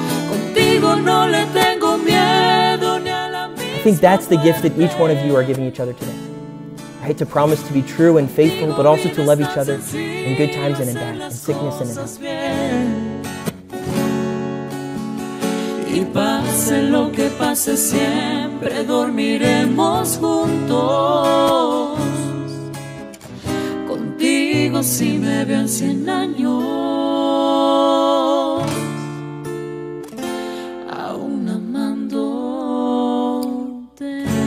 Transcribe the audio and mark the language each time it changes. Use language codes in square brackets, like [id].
[es] Contigo no le tengo miedo ni a la misma. [en] I think that's the gift that each one of you are giving each other today. Right? To promise to be true and faithful, but also to love each other in good times and in bad, in sickness and in health. [es] Y pase lo que pase, siempre dormiremos juntos. Contigo si me veo en 100 años, aún amándote.